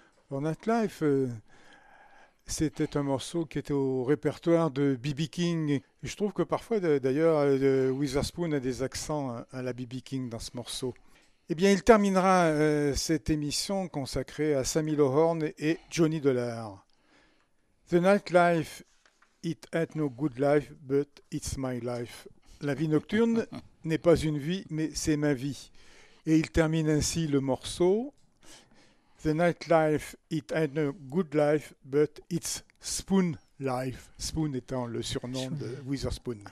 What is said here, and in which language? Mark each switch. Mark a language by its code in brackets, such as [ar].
[fr] Bon, Nightlife, c'était un morceau qui était au répertoire de B.B. King. Et je trouve que parfois, d'ailleurs, Witherspoon a des accents à la B.B. King dans ce morceau. Eh bien, il terminera cette émission consacrée à Sammy Lohorn et Johnny Dollar. [en] The nightlife, it ain't no good life, but it's my life. [fr] La vie nocturne n'est pas une vie, mais c'est ma vie. Et il termine ainsi le morceau. [en] The nightlife, it ain't no good life, but it's Spoon Life. [fr] Spoon étant le surnom de Witherspoon.